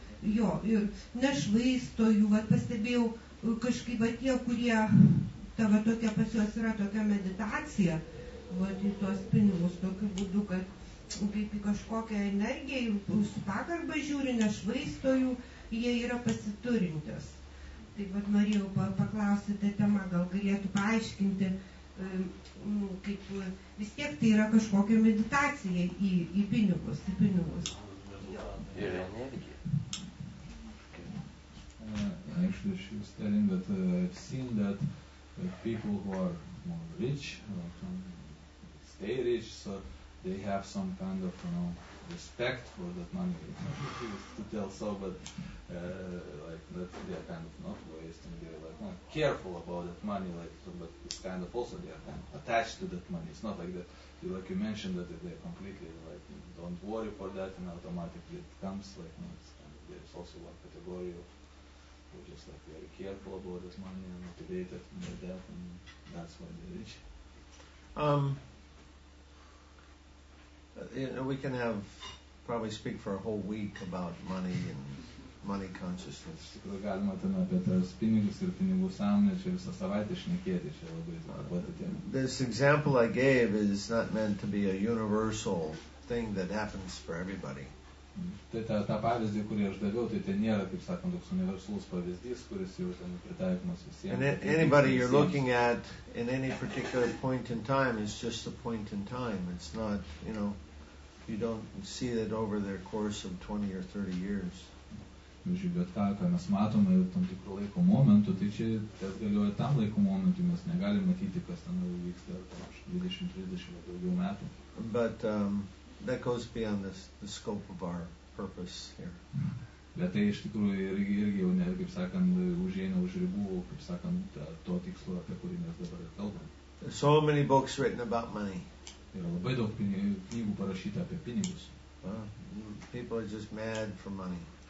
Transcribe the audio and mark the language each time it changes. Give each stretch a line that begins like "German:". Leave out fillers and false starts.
Lithuanian: Jo, ir nešvaisto jų, vat, pastebėjau, kažkaip, vat, tie, kurie tavo tokia pas juos yra tokia meditacija, vat, į tuos pinigus tokiu būdu, kad kaip į kažkokią energiją, su pagarba žiūri, nešvaisto jų, jie yra pasiturintis. Taip vat norėjau paklausyti tą temą, gal galėtų paaiškinti, kaip vis tiek tai yra kažkokia meditacija į pinigus, į pinigus. Ir energija.
English: Actually, she was telling that I've seen that people who are more rich, stay rich, so they have some kind of, you know, respect for that money. It's not easy to tell so, but like that they are kind of not wasting, they're like not careful about that money, like so, but it's kind of also they are kind of attached to that money. It's not like that, like you mentioned, that they completely like don't worry for that and automatically it comes, like, you know, it's kind of, there's also one category of we're just like very careful about this money and motivated and their death, and that's why they're rich. You know, we can have probably speak for a whole week about money and money consciousness. This example I gave is not meant to be a universal thing that happens for everybody.
Lithuanian: Ta pavyzdį, kurį aš daviau, tai nėra, kaip sakant, toks universalus pavyzdys, kuris jau ten pritaikomas visiems.
English: And anybody you're looking at in any particular point in time is just a point in time. It's not, you know, you don't see it over their course of 20 or 30 years.
Lithuanian: Bet ką mes matome tam tikrų laiko momentų, tai čia galioja tam laiko momentu, mes negalim matyti, kas ten vyksta 20-30 daugiau metų.
English: But that goes beyond the scope of our purpose here.
Lithuanian: Bet tai iš tikrųjų irgi jau ne, kaip sakant, užėina už ribų, kaip sakant, to tikslo, apie kurį mes dabar kalbam.
English: So many books written about money.
Lithuanian: Yra labai daug knygų parašyta apie pinigus.
English: People are just mad for money.